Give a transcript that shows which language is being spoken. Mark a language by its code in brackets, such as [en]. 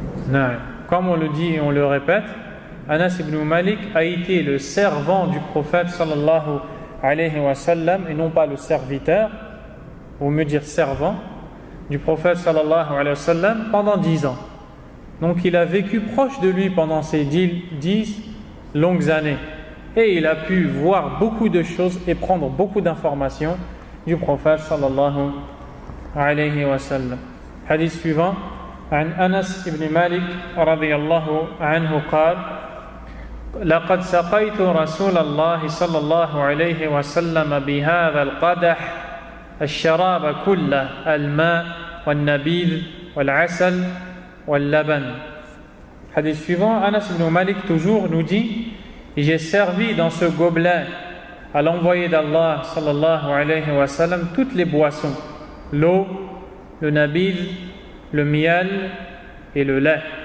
[fr] Non. Comme on le dit et on le répète, Anas ibn Malik a été le servant du prophète sallallahu alayhi wa sallam, et non pas le serviteur, ou mieux dire servant, du prophète sallallahu alayhi wa sallam pendant 10 ans. Donc il a vécu proche de lui pendant ces 10 longues années, et il a pu voir beaucoup de choses et prendre beaucoup d'informations du prophète sallallahu alayhi wa sallam. Hadith suivant. [ar] عن أنس بن مالك رضي الله عنه قال لقد سقيت رسول الله صلى الله عليه وسلم بهذا القدح الشراب كله الماء والنبيذ والعسل واللبن. [fr] حديث suivant, أنس بن مالك toujours nous dit, j'ai servi dans ce gobelet à l'envoyé d'Allah صلى الله عليه وسلم toutes les boissons, l'eau, le nabil, le miel et le lait.